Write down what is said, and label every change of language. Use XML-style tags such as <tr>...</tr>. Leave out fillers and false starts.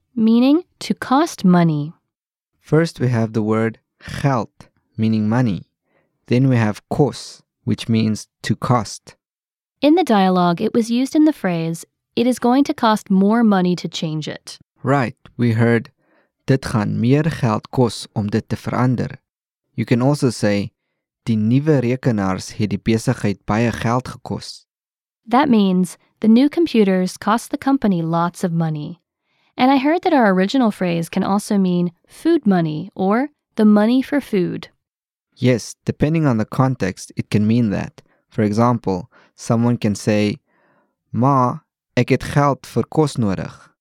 <en>meaning to cost money. First we have the word geld, meaning money. Then we have kos, which means to cost. In the dialogue, it was used in the phrase, it is going to cost more money to change it. Right, we heard,</en> <af>dit gaan meer geld kos om dit te verander.</af> <en>You can also say,</en> <af>die nuwe rekenaars het die besigheid baie geld gekos.</af> <en>That means the new computers cost the company lots of money. And I heard that our original phrase can also mean food money or the money for food. Yes, depending on the context, it can mean that. For example, someone can say,</en> <af>Ma, ek het geld vir kos nodig.</af>